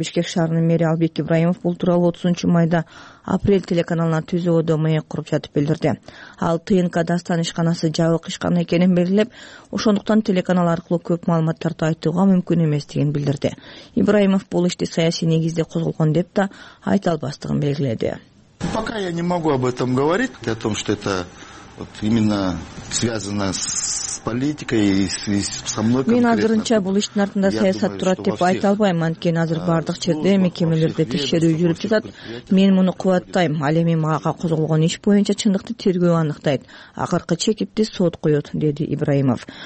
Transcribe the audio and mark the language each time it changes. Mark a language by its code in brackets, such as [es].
[ky] Бишкек шаарынын мэри Албек Ибраимов бул тууралуу 30 майда Апрель телеканалына түзөөдө маек куруп жатып билдирди. Ал ТНК Дастан ишканасы жабык ишкана экенин белгилеп, ошондуктан телеканал аркылуу көп маалыматтарды айтууга мүмкүн эместигин билдирди. Ибраимов бул ишти саясий негизде козголгон деп да айта албастыгын белгиледи. [ru] Пока я не могу об этом говорить, о том, что это именно связано с [ky] мен азырынча бул иштин артында саясат турат деп айта албайм, анткени азыр баардык жерде мекемелерде текшерүү жүрүп жатат. Мен муну кубаттайм, ал эми мага козголгон иш боюнча чындыкты тергөө аныктайт, акыркы чекипти сот коет, деди Ибраимов.